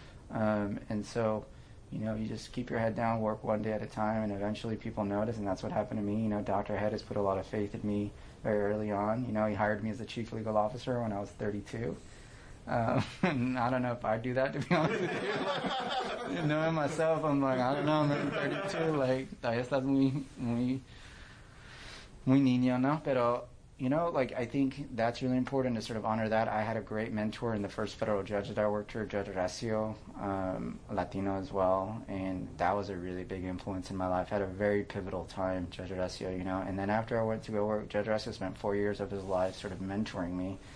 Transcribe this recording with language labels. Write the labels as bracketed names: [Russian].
[English] And so, you know, you just keep your head down, work one day at a time, and eventually people notice, and that's what happened to me. You know, Dr. Head has put a lot of faith in me very early on. You know, he hired me as the chief legal officer when I was 32. I don't know if I'd do that, to be honest with you. Knowing myself, I'm like, I don't know, I'm 32, like, [Spanish] todavía estás muy niño, ¿no? Pero [English] You know, like, I think that's really important to sort of honor that. I had a great mentor in the first federal judge that I worked for, Judge Horacio, Latino as well, and that was a really big influence in my life. I had a very pivotal time, Judge Horacio, you know, and then after I went to go work, Judge Horacio spent 4 years of his life sort of mentoring me.